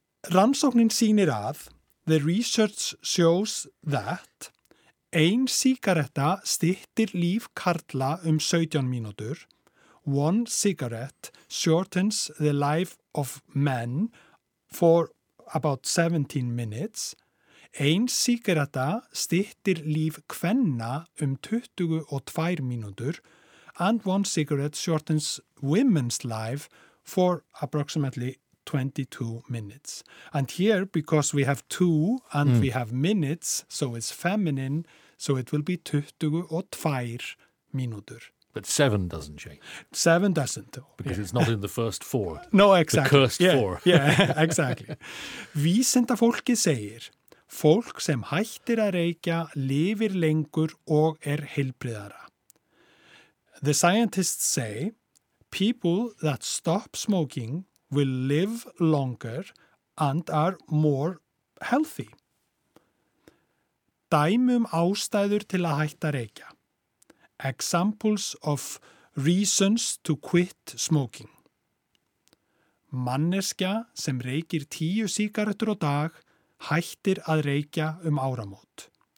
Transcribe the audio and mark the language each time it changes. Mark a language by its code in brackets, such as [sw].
[is] Rannsóknin sýnir að, [en] the research shows that [is] ein sígaretta styttir líf karla 17 mínútur. [en] One cigarette shortens the life of men for about 17 minutes. [is] Ein sígaretta styttir líf kvenna 22 mínútur. [en] And one cigarette shortens women's life for approximately 22 minutes. And here, because we have 2 and we have minutes, so it's feminine, so it will be 22 mínútur. But 7 doesn't change. 7 doesn't. Because it's not in the first 4. No, exactly. The cursed 4. Yeah, exactly. [is] Vísindafólki segir, fólk sem hættir að reykja lifir lengur og heilbrigðara. [en] The scientists say, people that stop smoking will live longer and are more healthy. [is] Dæmi ástæður til að hætta reykja. [en] Examples of reasons to quit smoking. [is] Manneskja sem reykir 10 sígarettur á dag hættir að reykja áramót.